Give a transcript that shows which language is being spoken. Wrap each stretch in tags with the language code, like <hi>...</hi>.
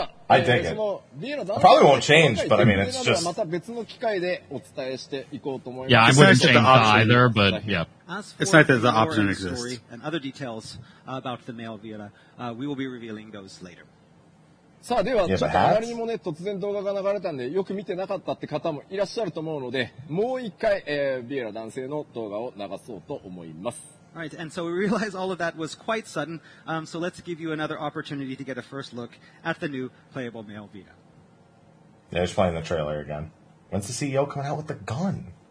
<en>I dig it. I probably won't change, but I mean, it's just... Yeah, I wouldn't change either, but yeah. It's not that the option exists. And other details about the male Vera, we will be revealing those later.</en> <ja>さあ、では、ちょっとあまりにもね、突然動画が流れたんで、よく見てなかったって方もいらっしゃると思うので、もう一回、ビエラ男性の動画を流そうと思います。</ja> <en>Right, and so we realize all of that was quite sudden, so let's give you another opportunity to get a first look at the new playable male Vera. Yeah, just playing the trailer again. When's the CEO coming out with the gun?</en>